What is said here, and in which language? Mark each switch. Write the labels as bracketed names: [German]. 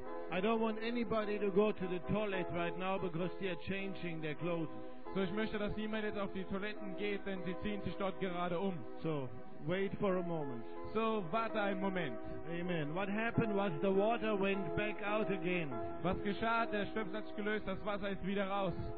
[English] I don't want anybody to go to the toilet right now because they are changing their clothes. [German] So ich möchte, dass niemand jetzt auf die Toiletten geht, denn sie ziehen sich dort gerade um. [English] So wait for a moment. [German] So warte einen Moment. [English] Amen. What happened was the water went back out again. [German] Was geschah? Der Schwimmsatz hat sich gelöst, das Wasser ist wieder raus.